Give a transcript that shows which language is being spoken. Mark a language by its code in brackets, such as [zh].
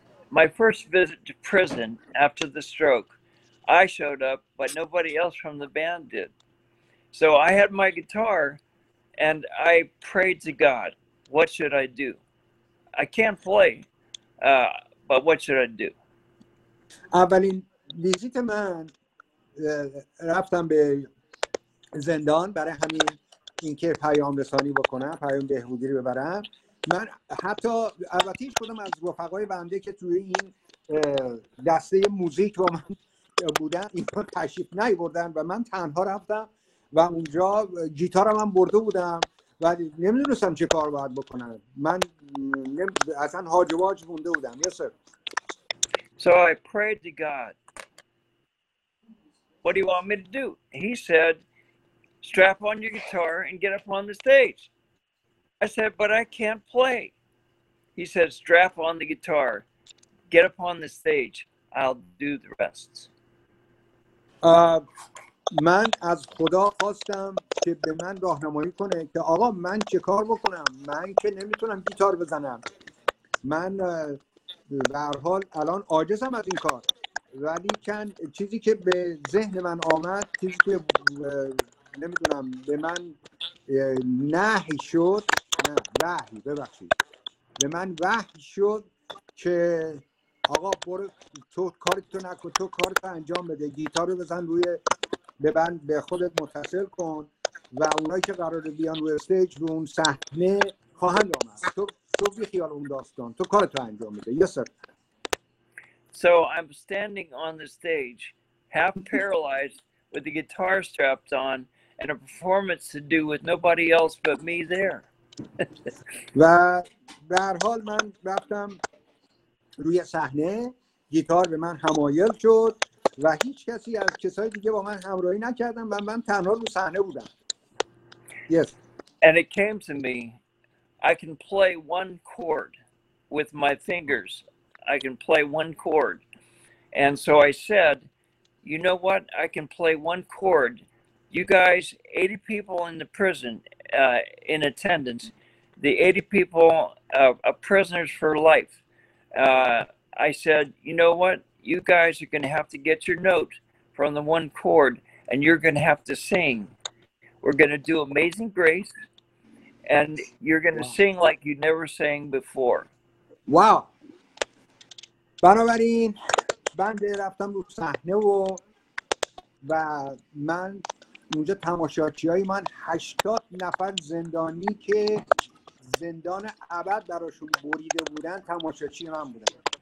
[en] My first visit to prison after the stroke, I showed up, but nobody else from the band did. So I had my guitar, and I prayed to God, what should I do? I can't play, but what should I do? [fa] اولین ویزیت من رفتم به زندان برای همین اینکه پیام رسانی بکنم، پیام بهبودی رو ببرم. من حتی البته هیچ کدوم از رفقای بنده که توی این دسته موزیک با من بودن اینا تشریف نیاوردن و من تنها رفتم و اونجا گیتارم هم برده بودم و نمیدونستم چه کار باید بکنم. من اصلا هاج و واج مونده بودم. [en] Yes, sir. So I prayed to God. What do you want me to do? He said, strap on your guitar and get up on the stage. I said, but I can't play. He said, strap on the guitar, get up on the stage, I'll do the rest. [fa] من از خدا خواستم که به من راهنمایی کنه که آقا من چه کار بکنم، من که نمیتونم گیتار بزنم، من به هر حال الان عاجزم از این کار. ولی کن چیزی که به ذهن من آمد، چیزی که نمیدونم به من نهی شد، نه وحی، ببخشید، به من وحی شد که آقا برو تو کارتو نکن، تو کارتو انجام بده، گیتار رو بزن روی به من، به خودت متصل کن و اونایی که قراره بیان روی استیج رو اون صحنه خواهند آمد. تو بی خیال اون داستان، تو کارت رو انجام میده. [en] Yes sir. So I'm standing on the stage half paralyzed with the guitar strapped on and a performance to do with nobody else but me there. [fa] و به هر حال من رفتم روی صحنه، گیتار به من حمایل شد و هیچ کسی از کسای دیگه با من همراهی نکردم و من تنها رو صحنه بودم. [en] Yes. And it came to me, I can play one chord with my fingers. I can play one chord. And so I said, you know what? I can play one chord. You guys, 80 people in the prison in attendance, the 80 people are prisoners for life. I said, you know what? You guys are going to have to get your note from the one chord and you're going to have to sing. We're going to do Amazing Grace and you're going to wow. sing like you never sang before. Wow. [fa] بنابراین بنده رفتم رو صحنه و من اونجا تماشاچیای من 80 نفر زندانی که زندان ابد براشون بریده بودن تماشاچی من بودن.